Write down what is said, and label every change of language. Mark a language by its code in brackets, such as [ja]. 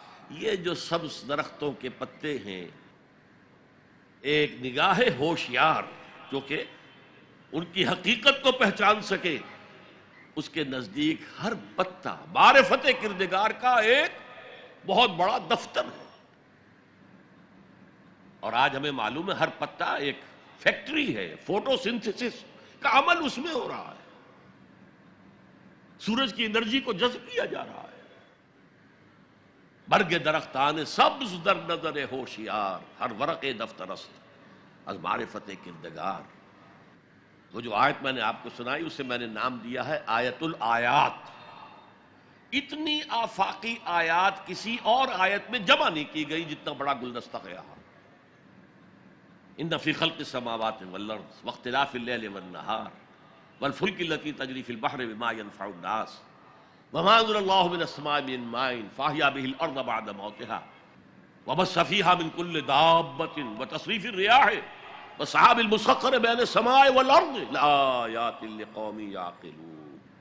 [ur] یہ جو سبز درختوں کے پتے ہیں, ایک نگاہ ہوشیار جو کہ ان کی حقیقت کو پہچان سکے, اس کے نزدیک ہر پتا معرفت کردگار کا ایک بہت بڑا دفتر ہے. اور آج ہمیں معلوم ہے ہر پتا ایک فیکٹری ہے, فوٹو سنتھسس کا عمل اس میں ہو رہا ہے, سورج کی انرجی کو جذب کیا جا رہا ہے. [fa] برگ درختان سبز در نظر ہوشیار, ہر ورق دفترست از معرفت کردگار. [ur] وہ جو آیت میں نے آپ کو سنائی, اسے میں نے نام دیا ہے آیت الآیات. اتنی آفاقی آیات کسی اور آیت میں جمع نہیں کی گئی جتنا بڑا گلدستہ گیا. [ar] ان فی خلق السماوات والارض واختلاف اللیل والنہار والفلک التی تجری فی البحر بما ینفع الناس وما انزل اللہ من السماء من ماء فاحیا به الارض بعد موتها وبث فیها من کل دابۃ وتصریف الرياح وصحاب المسخر بین السماء والارض لآیات لقوم یعقلون.